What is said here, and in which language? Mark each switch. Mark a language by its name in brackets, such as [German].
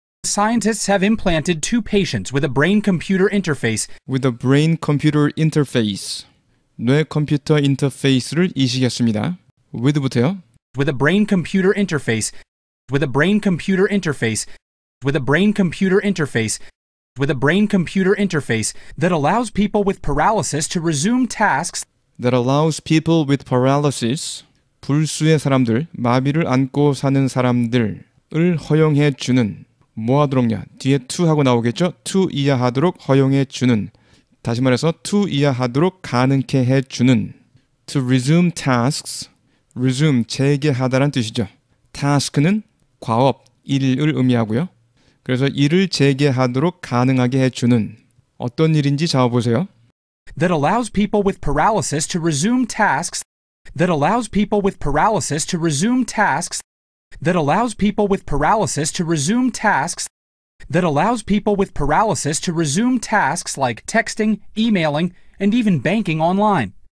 [English] Scientists have implanted two patients with a brain-computer interface. With a brain-computer interface. [Korean] 뇌컴퓨터 인터페이스를 이식했습니다. With부터요. [English] With a brain-computer interface. With a brain-computer interface. With a brain-computer interface. With a brain-computer interface that allows people with paralysis to resume tasks. That allows people with paralysis. [Korean] 불수의 사람들, 마비를 안고 사는 사람들을 허용해 주는. 뭐하도록냐? 뒤에 to 하고 나오겠죠? To 이하하도록 허용해 주는. 다시 말해서 to 이하하도록 가능케 해 주는. [English] To resume tasks. Resume, [Korean] 재개하다란 뜻이죠. Task는 과업, 일을 의미하고요. 그래서 일을 재개하도록 가능하게 해 주는. 어떤 일인지 잡아보세요. [English] That allows people with paralysis to resume tasks. That allows people with paralysis to resume tasks. That allows people with paralysis to resume tasks. That allows people with paralysis to resume tasks like texting, emailing, and even banking online.